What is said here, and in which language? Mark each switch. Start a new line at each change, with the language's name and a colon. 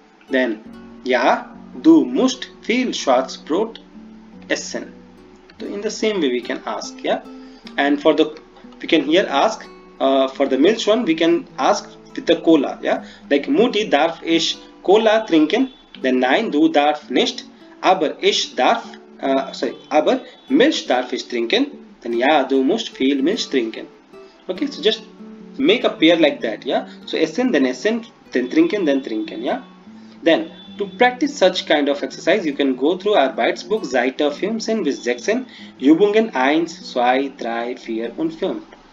German: Then ja, du musst viel Schwarzbrot essen.
English: So in the same way we can ask. Yeah. And for the, we can here ask for the Milch one, we can ask with the Cola.
German: Yeah. Like Mutti darf ich Cola trinken? Then nein, du darf nicht. Aber ich darf aber Milch darf ich trinken? Then ja, du musst viel Milch trinken.
English: Okay, so just make a pair like that. Yeah. So essen, then trinken. Yeah. Then to practice such kind of exercise, you can go through our Bytes book, Zeiter, Filmsen, with Jackson,
German: Übungen 1, 2, 3, 4 und 5.